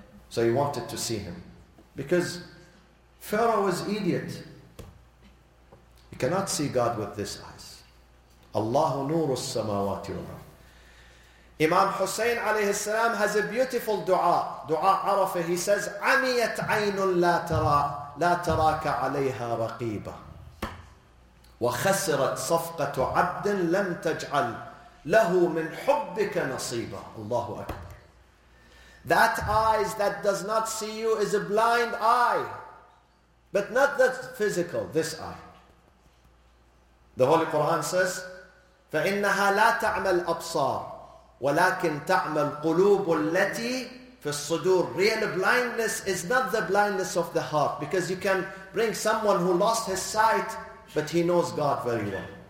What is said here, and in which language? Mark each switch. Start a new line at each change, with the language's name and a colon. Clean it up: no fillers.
English: So he wanted to see him. Because Pharaoh was an idiot. He cannot see God with this eyes.
Arabic: اللَّهُ نُورُ السَّمَاوَاتِ وَالْأَرْضِ
English: Imam Hussein alayhi salam has a beautiful dua, dua Arafah. He says,
Arabic: عَمِيَتْ عَيْنٌ لَا تَرَاكَ عَلَيْهَا رَقِيبًا وَخَسِرَتْ صَفْقَةُ عَبْدٍ لَمْ تَجْعَلْ لَهُ مِنْ حُبِّكَ نَصِيبًا Allahu Akbar.
English: That eyes that does not see you is a blind eye. But not that physical, this eye. The Holy Quran says,
Arabic: فَإِنَّهَا لَا تَعْمَلْ أَبْصَارِ وَلَكِنْ تَعْمَلْ قُلُوبُ الَّتِي فِي الصُّدُورِ
English: Real blindness is not the blindness of the heart, because you can bring someone who lost his sight, but he knows God very well.